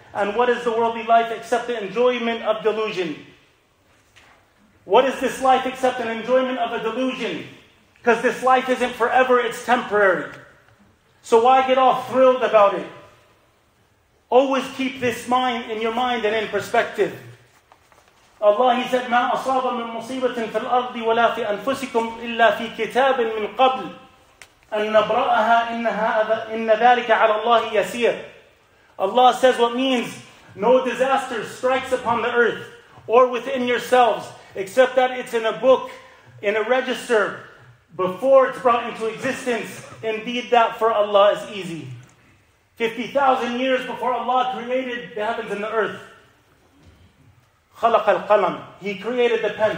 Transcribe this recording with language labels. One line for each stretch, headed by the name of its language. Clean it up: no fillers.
English: And what is the worldly life except the enjoyment of delusion? What is this life except an enjoyment of a delusion? Because this life isn't forever, it's temporary. So why get all thrilled about it? Always keep this mind in your mind and in perspective. Allah, He said,
Arabic: مَا أَصَابَ مِن مُصِيبَةٍ فِي الْأَرْضِ وَلَا فِي أَنفُسِكُمْ إِلَّا فِي كِتَابٍ مِن قَبْلٍ أَن نَبْرَأَهَا إِنَّ ذَلِكَ عَلَى اللَّهِ يَسِيرٍ.
English: Allah says what means, no disaster strikes upon the earth or within yourselves, except that it's in a book, in a register, before it's brought into existence. Indeed, that for Allah is easy. 50,000 years before Allah created the heavens and the earth,
Arabic: خَلَقَ الْقَلَمِ
English: He created the pen.